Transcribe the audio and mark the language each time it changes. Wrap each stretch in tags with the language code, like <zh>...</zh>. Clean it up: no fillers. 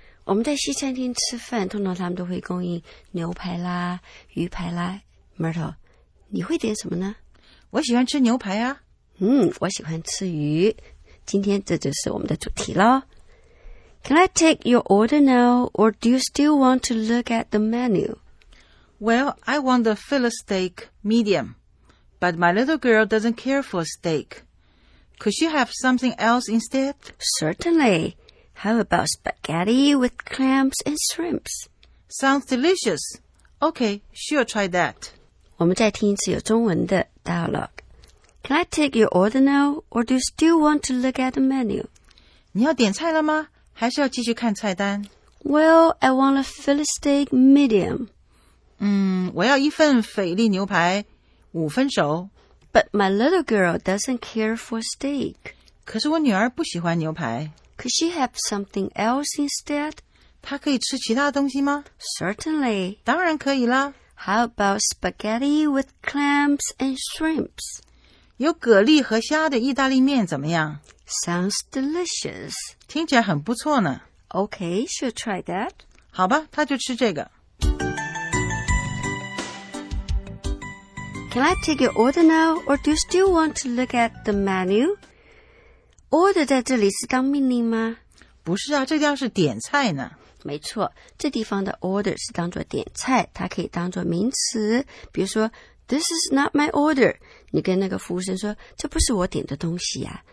<zh>我们在西餐厅吃饭，通常他们都会供应牛排啦、鱼排啦。 Myrtle， 你会点什么呢？我喜欢吃牛排啊。我喜欢吃鱼。今天这就是我们的主题咯。</zh> <en>Can I take your order now, or do you still want to look at the menu? Well, I want the fillet steak medium, but my little girl doesn't care for steak. Could she have something else instead? Certainly. How about spaghetti with clams and shrimps? Sounds delicious. Okay, sure, try that.</en> <zh>我们再听一次有中文的 dialogue.</zh> <en>Can I take your order now, or do you still want to look at the menu?</en> <zh>你要点菜了吗？还是要继续看菜单？</zh> <en>Well, I want a fillet steak medium.</en> <zh>我要一份菲力牛排，五分熟。</zh> <en>But my little girl doesn't care for steak.</en> <zh>可是我女儿不喜欢牛排。</zh> <en>Could she have something else instead?</en> <zh>她可以吃其他东西吗？</zh> <en>Certainly.</en> <zh>当然可以啦。</zh> <en>How about spaghetti with clams and shrimps?</en> <zh>有蛤蜊和虾的意大利面怎么样？</zh> <en>Sounds delicious.</en> <zh>听起来很不错呢。</zh> <en>Okay, she'll try that.</en> <zh>好吧，她就吃这个。</zh> <en>Can I take your order now, or do you still want to look at the menu?</en> <zh>Order 在这里是当命令吗？不是啊，这地方是点菜呢。没错，这地方的 order 是当作点菜，它可以当作名词。比如说</zh> <en>,This is not my order.</en> <zh>你跟那个服务生说，这不是我点的东西啊。</zh>